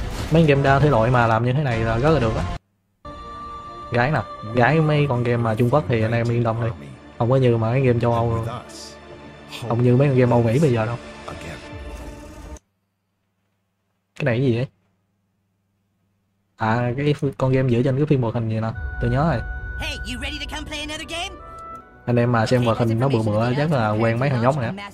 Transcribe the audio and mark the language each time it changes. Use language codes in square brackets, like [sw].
[vi] Mấy game đa thể loại mà làm như thế này là rất là được á. Gái nè. Gái mấy con game mà Trung Quốc thì anh em yên tâm đi. Không có như mà mấy game châu Âu rồi. Không như mấy con game Âu Mỹ bây giờ đâu. Cái này cái gì vậy? À, cái con game dựa trên cái phim hoạt hình gì nè. Tôi nhớ rồi. [en] Hey, you ready to come play another game? [vi] Anh em mà xem hoạt hình nó bựa bựa chắc là quen mấy thằng nhóc nè.